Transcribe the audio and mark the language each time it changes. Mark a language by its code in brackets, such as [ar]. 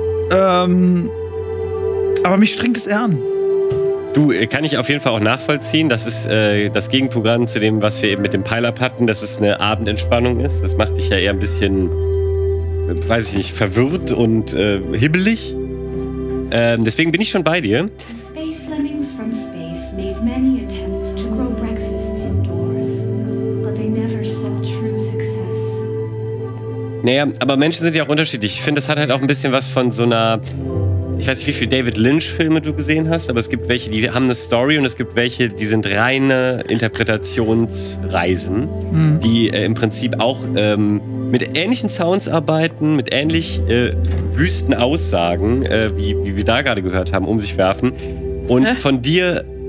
[de] Aber mich strengt es eher an. Du, kann ich auf jeden Fall auch nachvollziehen. Das ist das Gegenprogramm zu dem, was wir eben mit dem Pile-Up hatten, dass es eine Abendentspannung ist. Das macht dich ja eher ein bisschen, weiß ich nicht, verwirrt und hibbelig. Deswegen bin ich schon bei dir. [en] Space Lemmings from Space made many attempts to grow breakfasts indoors, but they never saw true success. [de] Naja, aber Menschen sind ja auch unterschiedlich. Ich finde, das hat halt auch ein bisschen was von so einer, ich weiß nicht, wie viele David Lynch-Filme du gesehen hast, aber es gibt welche, die haben eine Story und es gibt welche, die sind reine Interpretationsreisen, die im Prinzip auch mit ähnlichen Sounds arbeiten, mit ähnlich wüsten Aussagen, wie wir da gerade gehört haben, um sich werfen. Und von dir